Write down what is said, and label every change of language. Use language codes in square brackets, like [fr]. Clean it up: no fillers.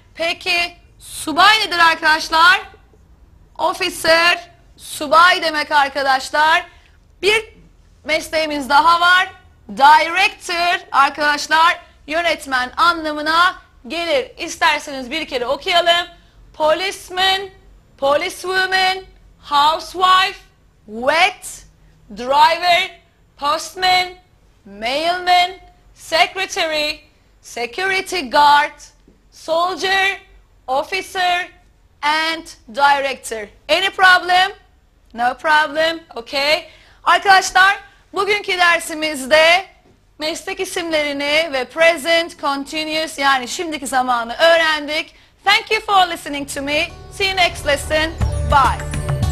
[tr] Peki subay nedir arkadaşlar? Officer, subay demek arkadaşlar. Bir mesleğimiz daha var. Director arkadaşlar, yönetmen anlamına gelir. İsterseniz bir kere okuyalım. [en] Policeman, policewoman, housewife, wet, driver, postman, mailman, secretary, security guard, soldier, officer and director. Any problem? No problem. Okay. [tr] Arkadaşlar, bugünkü dersimizde meslek isimlerini ve present continuous, yani şimdiki zamanı öğrendik. [en] Thank you for listening to me. See you next lesson. Bye.